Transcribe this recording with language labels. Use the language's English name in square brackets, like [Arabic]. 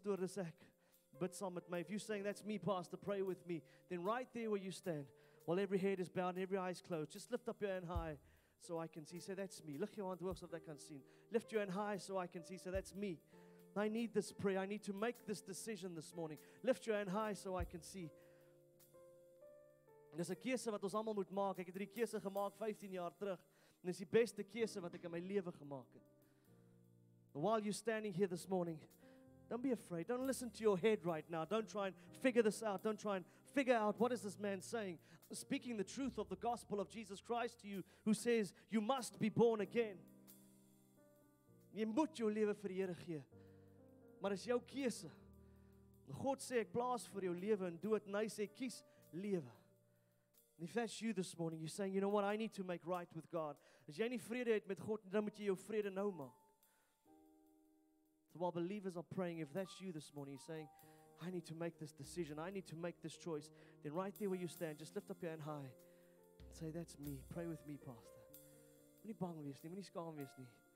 [English] If you're saying, that's me, Pastor, pray with me, then right there where you stand, while every head is bowed and every eye is closed, just lift up your hand high so I can see. Say, that's me. Look here on the works of that can see. Lift your hand high so I can see. Say, that's me. I need this prayer. I need to make this decision this morning. Lift your hand high so I can see. There's a [Afrikaans] keuse wat ons allemaal moet maak. Ek het die keuse gemaak 15 jaar terug. En is die beste keuse wat ek in my lewe gemaak het. [English] While you're standing here this morning, don't be afraid. Don't listen to your head right now. Don't try and figure this out. Don't try and figure out what is this man saying. Speaking the truth of the gospel of Jesus Christ to you, who says you must be born again. [Afrikaans] Jy moet jou lewe vir die Here gee. Maar is jou keuse. God sê, ek plaas vir jou lewe en dood. En hy sê, kies lewe. [English] And if that's you this morning, you're saying, you know what, I need to make right with God. [Afrikaans] As jy nie vrede het met God, dan moet jy jou vrede nou maak. [English] So while believers are praying, if that's you this morning, you're saying, I need to make this decision, I need to make this choice, then right there where you stand, just lift up your hand high and say, that's me. Pray with me, Pastor. [Afrikaans] Moet nie bang wees nie, moet nie skaam wees nie.